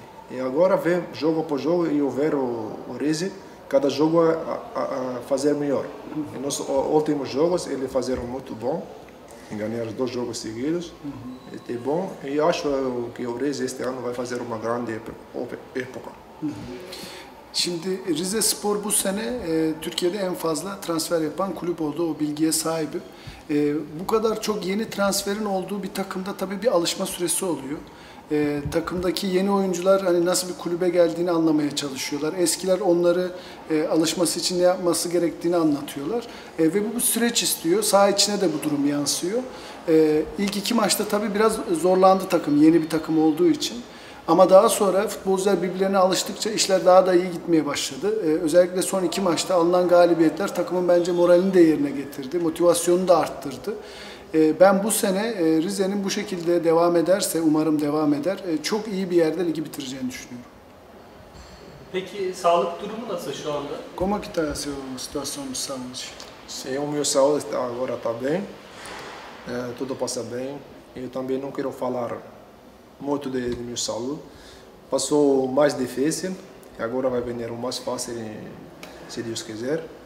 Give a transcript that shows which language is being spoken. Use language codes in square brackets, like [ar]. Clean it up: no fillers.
[pt] E agora vem jogo por jogo e eu ver o Rize cada jogo a fazer melhor. Em nossos últimos jogos ele fazer muito bom, ganhar 2 jogos seguidos, é bom. E acho que o Rize este ano vai fazer uma grande época. [tr] Şimdi Rize Spor bu sene Türkiye'de en fazla transfer yapan kulüp oldu. O bilgiye sahibim. Bu kadar çok yeni transferin olduğu bir takımda tabii bir alışma süresi oluyor. Takımdaki yeni oyuncular hani nasıl bir kulübe geldiğini anlamaya çalışıyorlar. Eskiler onları alışması için ne yapması gerektiğini anlatıyorlar. Ve bu süreç istiyor. Saha içine de bu durum yansıyor. İlk iki maçta tabii biraz zorlandı takım yeni bir takım olduğu için. Ama daha sonra futbolcular birbirlerine alıştıkça işler daha da iyi gitmeye başladı. Özellikle son iki maçta alınan galibiyetler takımın bence moralini de yerine getirdi. Motivasyonunu da arttırdı. Ben bu sene Rize'nin bu şekilde devam ederse, umarım devam eder, çok iyi bir yerde ligi bitireceğini düşünüyorum. Peki sağlık durumu nasıl şu anda? [pt] Como que está a sua situação de saúde? Sim, o meu saúde agora está bem. Tudo passa bem. Eu também não quero falar muito de meu saúde. Passou mais difícil e agora vai vir o mais fácil, se Deus quiser.